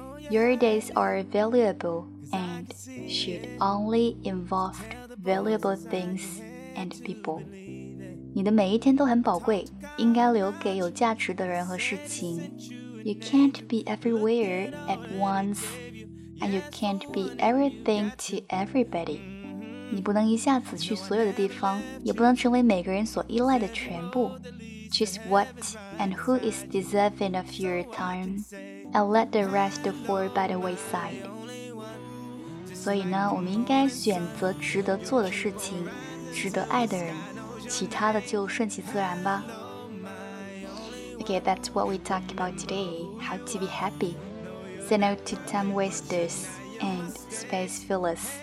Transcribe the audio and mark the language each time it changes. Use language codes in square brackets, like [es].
[en] Your days are valuable and should only involve valuable things and people。 [zh] 你的每一天都很宝贵，应该留给有价值的人和事情。 [en] You can't be everywhere at once, and you can't be everything to everybody. [zh] 你不能一下子去所有的地方，也不能成为每个人所依赖的全部。 [en] Choose what and who is deserving of your time, and let the rest fall by the wayside. [zh] 所以呢，我们应该选择值得做的事情，值得爱的人。其他的就顺其自然吧。 [en] Okay, that's what we talk about today. How to be happy. Say no to time wasters and space fillers.